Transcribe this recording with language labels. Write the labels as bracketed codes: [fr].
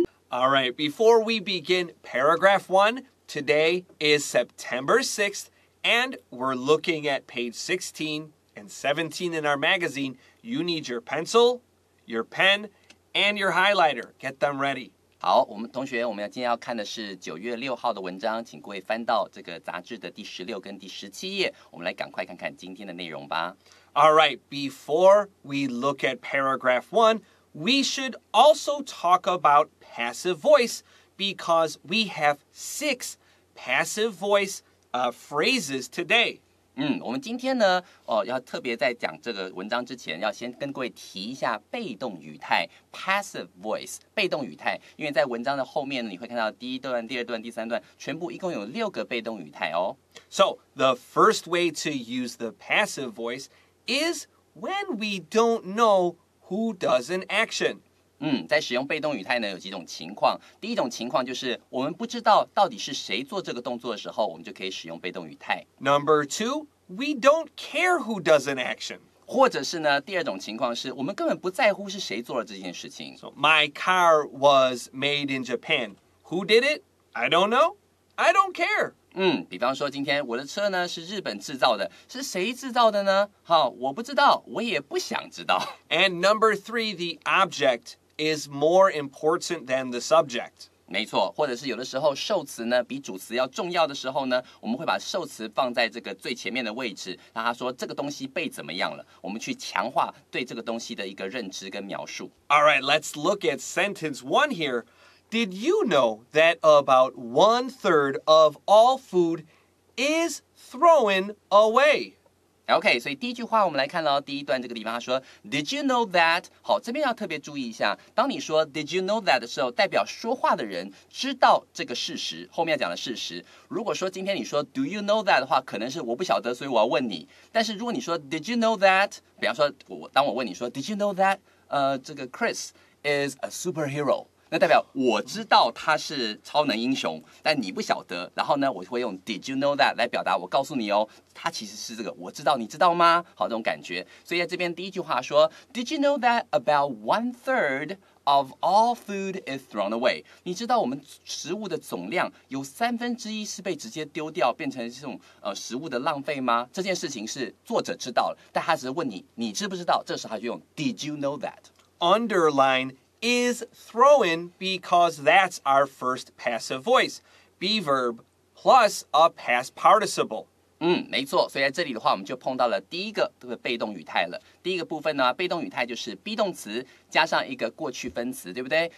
[en] All right, before we begin paragraph one, today is September 6th, and we're looking at page 16. And 17 in our magazine, you need your pencil, your pen, and your highlighter. Get them ready. [zh] 好，我们同学，我们今天要看的是9月6号的文章，请各位翻到这个杂志的第16跟第17页，我们来赶快看看今天的内容吧。 [en] All right, before we look at paragraph one, we should also talk about passive voice because we have 6 passive voice phrases today. [zh] 我们今天呢要特别在讲这个文章之前要先跟各位提一下被动语态 passive voice, 被动语态，因为在文章的后面你会看到第一段、第二段、第三段全部一共有6个被动语态哦。 [en] So, the first way to use the passive voice is when we don't know who does an action. [zh] 在使用被动语态呢有几种情况。第一种情况就是我们不知道到底是谁做这个动作的时候，我们就可以使用被动语态。 [en] Number two, we don't care who does an action. [zh] 或者是呢第二种情况是我们根本不在乎是谁做了这件事情。 [en] So, my car was made in Japan. Who did it? I don't know. I don't care. [zh] 比方说今天我的车呢是日本制造的，是谁制造的呢？好，我不知道，我也不想知道。 [en] And number three, the object is more important than the subject. [zh] 没错，或者是有的时候受词呢比主词要重要的时候呢，我们会把受词放在这个最前面的位置，让他说这个东西被怎么样了，我们去强化对这个东西的一个认知跟描述。 [en] All right, let's look at sentence one here. Did you know that about 1/3 of all food is thrown away? Okay, [zh] 所以第一句话我们来看到第一段这个地方，他说 [en] Did you know that? [zh] 好，这边要特别注意一下，当你说 [en] Did you know that [zh] 的时候，代表说话的人知道这个事实，后面要讲的事实。如果说今天你说 [en] Do you know that [zh] 的话，可能是我不晓得，所以我要问你。但是如果你说 [en] Did you know that? [zh] 比方说当我问你说 Did you know that? 这个 [en] Chris is a superhero. [zh] 那代表我知道他是超能英雄，但你不晓得。然后呢，我会用 [en] Did you know that [zh] 来表达我告诉你哦，他其实是这个我知道，你知道吗？好，这种感觉。所以在这边第一句话说 ， [en] Did you know that about 1/3 of all food is thrown away？ [zh] 你知道我们食物的总量有1/3是被直接丢掉，变成这种食物的浪费吗？这件事情是作者知道了，但他只是问你，你知不知道？这时候他就用 [en] Did you know that underline。 Is thrown because that's our first passive voice. Be verb plus a past participle. [zh] 没错，所以在这里的话我们就碰到了第一个被动语态了。第一个部分呢，被动语态就是 be 动词加上一个过去分词，对不对？